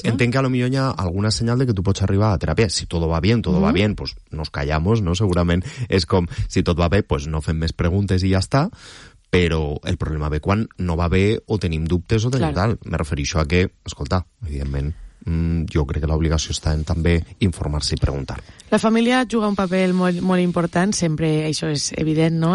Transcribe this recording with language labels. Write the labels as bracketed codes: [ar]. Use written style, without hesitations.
[ca] perquè entenc que a lo millor hi ha alguna senyal de que tu pots arribar a teràpia. [es] Si todo va bien, todo va bien, pues nos callamos, ¿no? [ca] Segurament és com, si tot va bé, pues no fem més preguntes i ja està. Però el problema ve quan no va bé o tenim dubtes o tenim tal. Me refereixo a que, escolta, evidentment, jo crec que l'obligació està en també informar-se i preguntar. La família juga un paper molt, molt important, sempre això és evident, no?